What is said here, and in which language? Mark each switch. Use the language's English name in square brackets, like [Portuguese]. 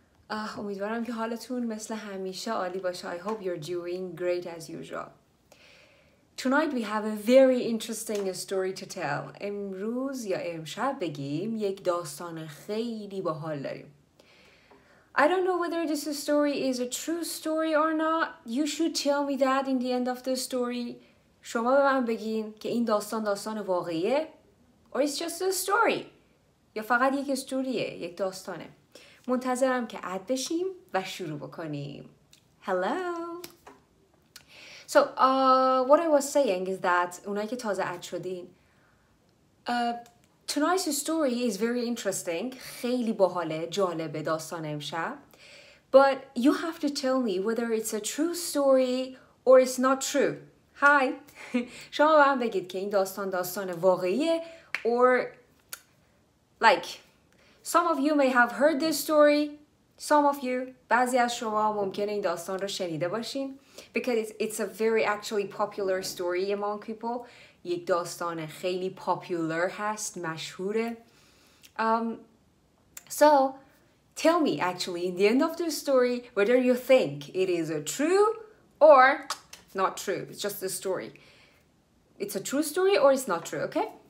[Persian] امیدوارم که حالتون مثل همیشه عالی باشه. [English] I hope you're doing great as usual. Tonight we have a very interesting story to tell. [Persian] امروز یا امشب بگیم یک داستان خیلی باحال داریم. [English] I don't know whether this story is a true story or not. You should tell me that in the end of the story. [Persian] شما به من بگین که این داستان داستان واقعیه [English] or it's just a story. [Persian] یا فقط یک استوریه، یک داستانه. منتظرم که عد بشیم و شروع بکنیم. [English] Hello. So, what I was saying is that [Persian] اونایی که تازه عد شدین [English] tonight's story is very interesting. [Persian] خیلی باحاله، جالبه داستان امشب. [English] But you have to tell me whether it's a true story or it's not true. Hi. [Persian] شما به من بگید که این داستان داستان واقعیه [English] or like some of you may have heard this story, some of you, [Persian] بعضی از شما ممکنه این داستان رو شنیده باشین, [English] because it's a very actually popular story among people. [Persian] یک داستان خیلی popular هست, مشهوره. [English] So tell me actually in the end of the story whether you think it is a true or not true. It's just a story. It's a true story or it's not true, okay?